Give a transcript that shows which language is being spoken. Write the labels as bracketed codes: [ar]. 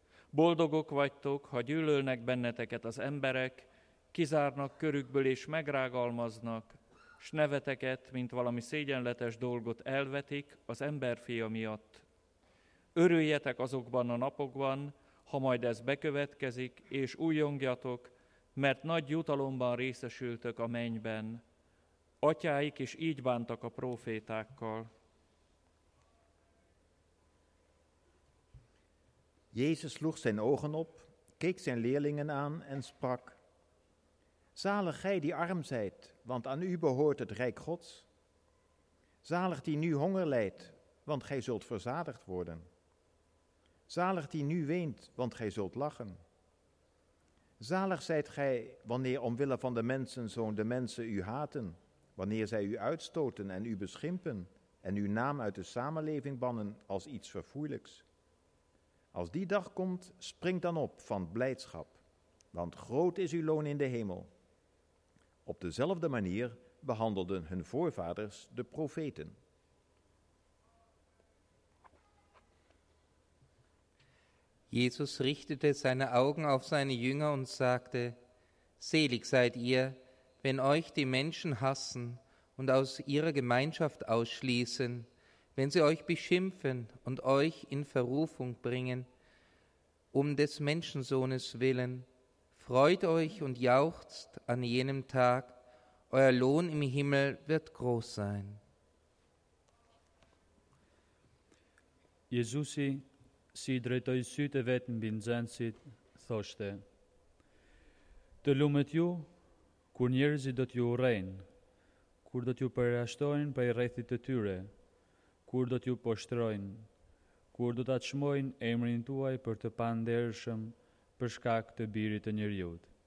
[hu] Boldogok vagytok, ha gyűlölnek benneteket az emberek, kizárnak körükből és megrágalmaznak, s neveteket, mint valami szégyenletes dolgot elvetik az emberfia miatt. Örüljetek azokban a napokban, ha majd ez bekövetkezik, és újjongjatok, mert nagy jutalomban részesültök a mennyben. Atyáik is így bántak a prófétákkal. [nl] Jézus sloeg zijn ogen op, keek zijn leerlingen aan en sprak: Zalig gij die arm zijt, want aan u behoort het rijk Gods. Zalig die nu honger lijdt, want gij zult verzadigd worden. Zalig die nu weent, want gij zult lachen. Zalig zijt gij, wanneer omwille van de mensen zoon de mensen u haten, wanneer zij u uitstoten en u beschimpen en uw naam uit de samenleving bannen als iets verfoeilijks. Als die dag komt, spring dan op van blijdschap, want groot is uw loon in de hemel. Op dezelfde manier behandelden hun voorvaders de profeten. [de] Jesus richtete seine Augen auf seine Jünger und sagte: Selig seid ihr, wenn euch die Menschen hassen und aus ihrer Gemeinschaft ausschließen, wenn sie euch beschimpfen und euch in Verrufung bringen, um des Menschensohnes willen. Freut euch und jauchzt an jenem Tag, euer Lohn im Himmel wird groß sein. [sq] Jesus si drejtoj sytë vetë mbi nxënësit, thoshte: Të lumet ju, kur njerëzit do t'ju urrejnë, kur do t'ju përjashtojnë prej rrethit të tyre, kur do t'ju poshtrojnë, kur do t'a çmojnë emrin tuaj për të pandershëm për shkak të birit të njerëzit.